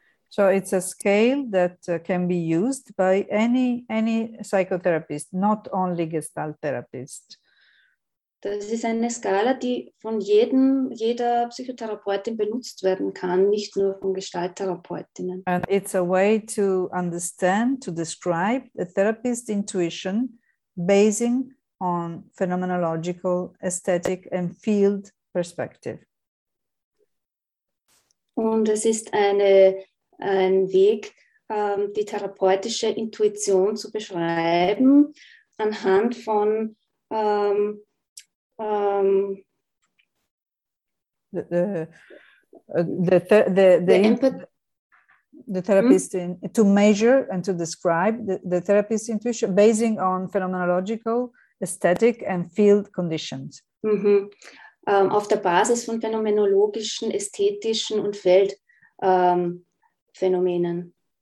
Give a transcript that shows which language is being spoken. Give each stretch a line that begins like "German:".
English: So it's a scale that can be used by any psychotherapist, not only Gestalt therapist.
German: Das ist eine Skala, die von jeder Psychotherapeutin benutzt werden kann, nicht nur von Gestalttherapeutinnen.
English: And it's a way to understand, to describe the therapist's intuition basing on phenomenological, aesthetic and field perspective.
German: Und es ist ein Weg, die therapeutische Intuition zu beschreiben anhand von
English: to measure and to describe the therapist's intuition basing on phenomenological, aesthetic and field conditions. Mm-hmm.
German: Auf der Basis von phänomenologischen, ästhetischen und Feldphänomenen.